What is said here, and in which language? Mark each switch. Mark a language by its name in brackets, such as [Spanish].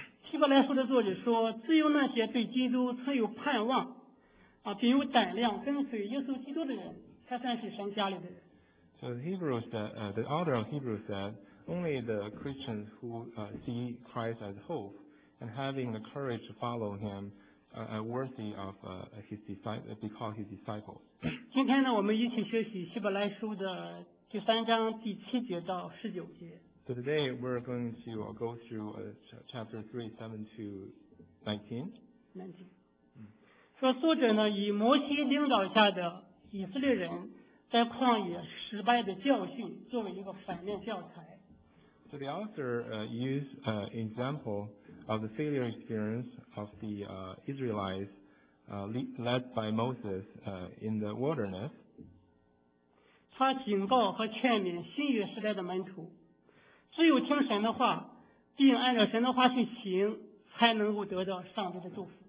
[Chinese] 希伯来书的作者说，只有那些对基督存有盼望，并有胆量跟随耶稣基督的人，才算是神家里的人。 [English] So the author of Hebrews said, only the Christians who see Christ as hope and having the courage to follow Him are worthy of His disciple, be called His disciples. [Chinese] 今天呢，我们一起学习希伯来书的第三章第七节到十九节。 [English] So today we're going to go through chapter 3:7-19. [Chinese] 说作者呢，以摩西领导下的以色列人在旷野失败的教训作为一个反面教材。 [English] So the author used example of the failure experience of the Israelites led by Moses in the wilderness. [Chinese] 他警告和劝勉新约时代的门徒，只有听神的话，并按照神的话去行，才能够得到上帝的祝福。